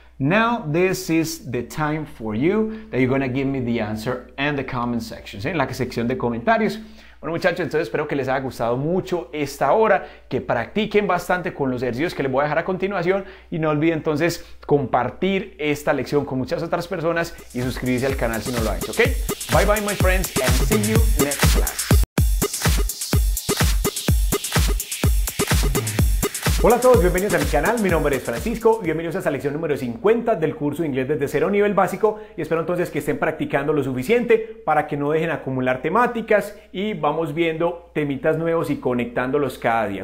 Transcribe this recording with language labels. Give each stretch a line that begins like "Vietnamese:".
English: Now, this is the time for you that you're going to give me the answer and the comment section, ¿sí?
Spanish: En la sección de comentarios. Bueno, muchachos, entonces espero que les haya gustado mucho esta hora, que practiquen bastante con los ejercicios que les voy a dejar a continuación y no olviden entonces compartir esta lección con muchas otras personas y suscribirse al canal si no lo han hecho, ¿ok?
English: Bye bye, my friends, and see you next class.
Spanish: Hola a todos, bienvenidos a mi canal, mi nombre es Francisco y bienvenidos a esta lección número 50 del curso de inglés desde cero nivel básico y espero entonces que estén practicando lo suficiente para que no dejen acumular temáticas y vamos viendo temitas nuevos y conectándolos cada día.